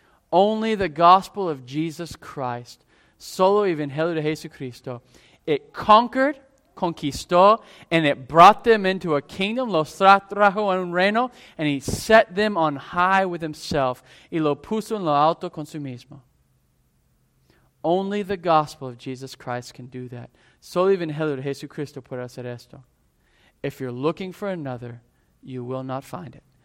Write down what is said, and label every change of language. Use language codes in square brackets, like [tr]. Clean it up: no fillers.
[en] Only the gospel of Jesus Christ, [es] solo el Evangelio de Jesucristo, [en] it conquered, [es] conquistó, [en] and it brought them into a kingdom, [es] los trajo en un reino, [en] and he set them on high with himself, [es] y lo puso en lo alto con su mismo. [en] Only the gospel of Jesus Christ can do that. [es] Solo el Evangelio de Jesucristo puede hacer esto. [en] If you're looking for another, you will not find it.